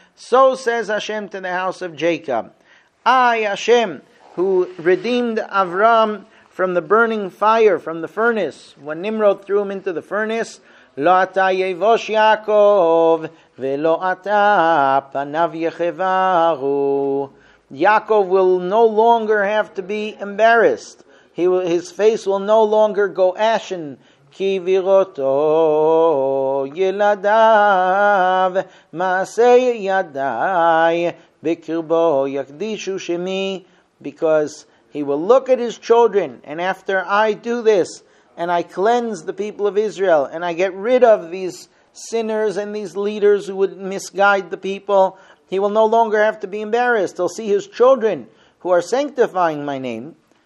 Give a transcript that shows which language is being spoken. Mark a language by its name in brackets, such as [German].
[English] So says Hashem to the house of Jacob. I, Hashem, who redeemed Avram from the burning fire, from the furnace, when Nimrod threw him into the furnace, [Hebrew] lo ata yevosh Yaakov. Velo ata panav yechevaru. [English] Yaakov will no longer have to be embarrassed. His face will no longer go ashen. [Hebrew] כי בראותו ילדיו, מעשי ידי בקרבו יקדישו שמי. [English] Because he will look at his children, and after I do this, and I cleanse the people of Israel, and I get rid of these sinners and these leaders who would misguide the people, he will no longer have to be embarrassed. He'll see his children who are sanctifying my name.